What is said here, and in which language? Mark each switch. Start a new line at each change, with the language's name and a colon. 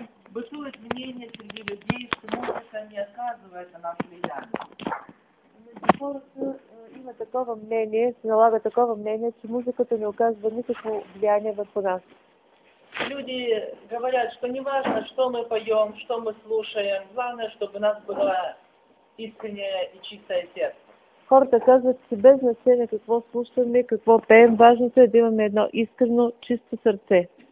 Russian: бытует мнение среди людей, что музыка не оказывает на нас влияния.
Bulgarian: Има такова мнение, се налага такова мнение, че музиката не оказва никакво влияние върху нас.
Russian: Люди говорят, что не важно, что мы поем, что мы слушаем, главное, чтобы у нас было искреннее и чистое сердце.
Bulgarian: Хората казват, че без значение какво слушаме, какво пеем, важното е да имаме едно искрено, чисто сърце.